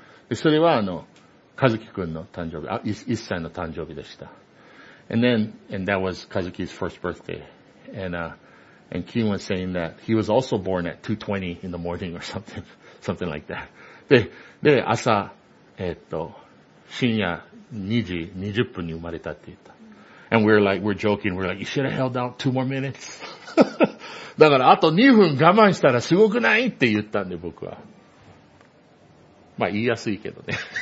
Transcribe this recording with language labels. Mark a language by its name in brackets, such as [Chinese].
[Japanese] で、それはかずきくんの誕生日、1歳の誕生日でした。 [English] And that was Kazuki's first birthday. And Kim was saying that he was also born at 2:20 in the morning or something like that. [Japanese] で、朝、深夜2時20分に生まれたって言った。 [English] And we're joking, we're like, you should have held out 2 more minutes. [Japanese] だからあと2分我慢したらすごくないって言ったんで僕は。まあ言いやすいけどね。